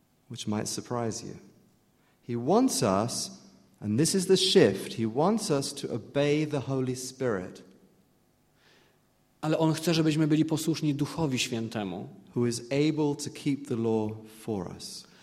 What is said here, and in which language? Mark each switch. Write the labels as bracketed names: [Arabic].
[English] Which might surprise you. He wants us And this is the shift. He wants us to obey the Holy Spirit. [Polish] Ale on chce, żebyśmy byli posłuszni Duchowi Świętemu, [English] who is able to keep the law for us.